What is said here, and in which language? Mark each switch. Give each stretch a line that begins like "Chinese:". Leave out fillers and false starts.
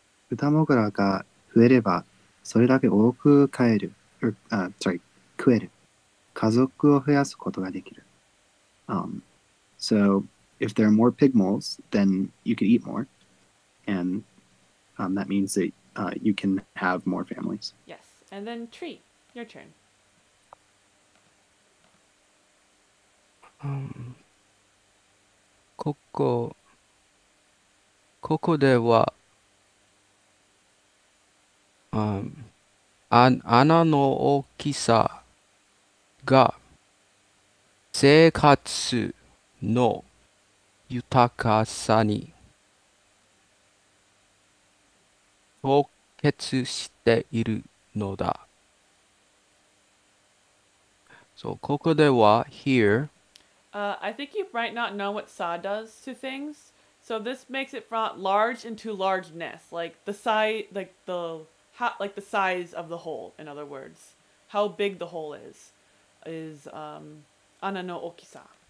Japanese: 豚もぐらが増えれば、それだけ多く飼える、食える。家族を増やすことができる。
English: So if there are more pig moles, then you could eat more. And that means that you can have more families. Yes. And then Tree, your turn.
Japanese: ここでは、穴の大きさが生活の豊かさに直結しているのだ。
English: So,
Japanese: ここでは、
English: here. I think you might not know what sa does to things. So, this makes it from large into largeness, like the size of the hole, in other words. How big the hole is
Japanese: ana no okisa.